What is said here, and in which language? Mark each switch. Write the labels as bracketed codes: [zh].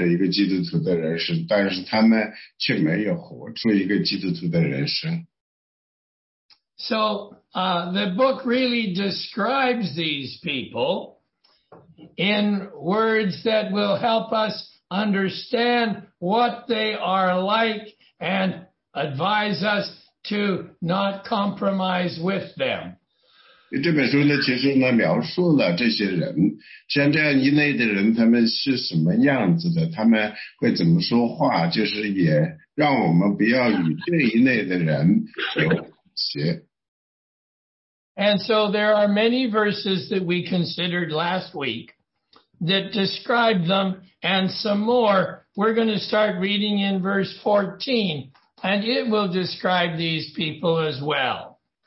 [zh] 有很多的基督徒呢，他们说他们是过着一个基督徒的人生， 但是他们却没有活出一个基督徒的人生。 [en] So, the book really describes these people in words that will help us understand what they are like and advise us to not compromise with them. [zh] 这本书呢，其实呢，描述了这些人，像这样一类的人，他们是什么样子的，他们会怎么说话，就是也让我们不要与这一类的人有邪。 [en] And so there are many verses that we considered last week that describe them, and some more. We're going to start reading in verse 14. And it will describe these people as well.